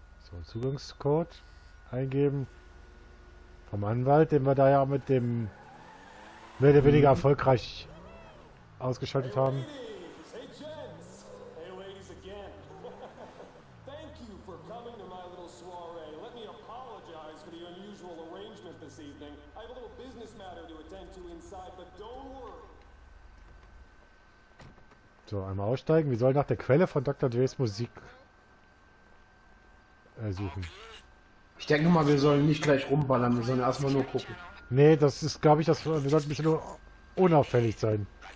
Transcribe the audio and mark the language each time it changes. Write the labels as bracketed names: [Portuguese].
[German] So, Zugangscode eingeben. Vom Anwalt, den wir da ja mit dem mehr oder weniger erfolgreich ausgeschaltet haben. [English] Hey, Jens! Hey, Ladies again! Thank you for coming to my little soiree. Let me apologize for the unusual arrangement this evening. I have a little business matter to attend to inside, but don't worry. [German] So, einmal aussteigen. Wir sollen nach der Quelle von Dr. Dre's Musik suchen. Ich denke mal, wir sollen nicht gleich rumballern, wir sollen erstmal nur gucken. Nee, das ist, glaube ich, das. Wir sollten ein bisschen unauffällig sein.